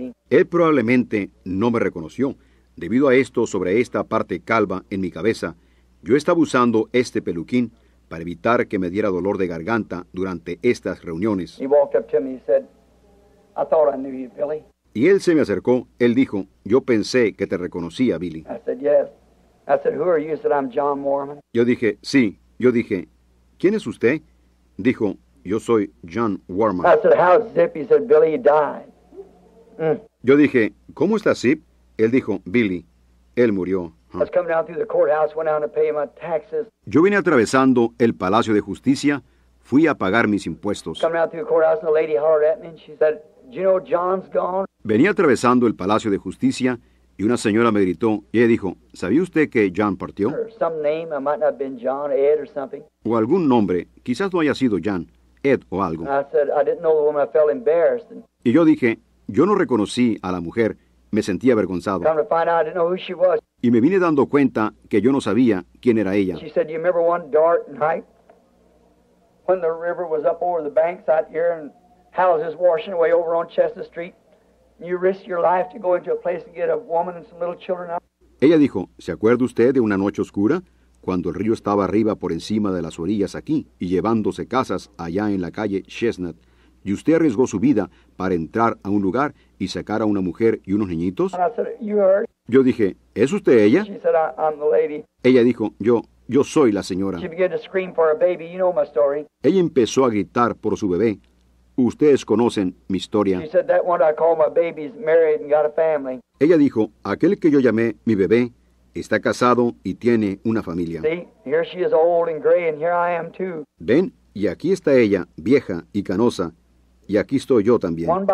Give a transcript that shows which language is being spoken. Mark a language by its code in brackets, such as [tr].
[es] Él probablemente no me reconoció. Debido a esto, sobre esta parte calva en mi cabeza, yo estaba usando este peluquín para evitar que me diera dolor de garganta durante estas reuniones. [en] He walked up to me and said, I thought I knew you, Billy. [es] Y él se me acercó, él dijo, yo pensé que te reconocía, Billy. [en] I said, yes. I said, who are you? He said, I'm John Mormon. [es] Yo dije, sí. Yo dije, ¿quién es usted? Dijo, yo soy John Warman. [en] I said, how's Zip? He said, Billy, he died. [es] Mm. Yo dije, ¿cómo está Zip? Él dijo, Billy, él murió. [en] I was coming down through the courthouse, went down to pay my taxes. [es] Yo vine atravesando el Palacio de Justicia, fui a pagar mis impuestos. [en] Coming down through the courthouse, and the lady hollered at me, and she said, "Do you know John's gone?" [es] Venía atravesando el Palacio de Justicia y una señora me gritó y ella dijo, ¿sabía usted que John partió? [en] Or some name, I might not have been John, Ed, or something. [es] O algún nombre, quizás no haya sido John, Ed, o algo. [en] And I said, I didn't know the woman. I felt embarrassed. And [es] y yo dije, yo no reconocí a la mujer. Me sentía avergonzado. [en] Come to find out, I didn't know who she was. [es] Y me vine dando cuenta que yo no sabía quién era ella. [en] She said, "Do you remember one dark night when the river was up over the banks out here and houses washing away over on Chester Street? You risked your life to go into a place and get a woman and some little children out." [es] Ella dijo, ¿se acuerda usted de una noche oscura cuando el río estaba arriba por encima de las orillas aquí y llevándose casas allá en la calle Chestnut? Y usted arriesgó su vida para entrar a un lugar y sacar a una mujer y unos niñitos. [en] And I said, "You heard." [es] Yo dije, ¿es usted ella? [en] She said, I'm the lady. [es] Ella dijo, yo soy la señora. [en] She began to scream for a baby. You know my story. [es] Ella empezó a gritar por su bebé. Ustedes conocen mi historia. [en] She said, that one I call my baby's married and got a family. [es] Ella dijo, aquel que yo llamé mi bebé está casado y tiene una familia. [en] See, here she is old and gray, and here I am too. [es] Ven, y aquí está ella, vieja y canosa. Y aquí estoy yo también.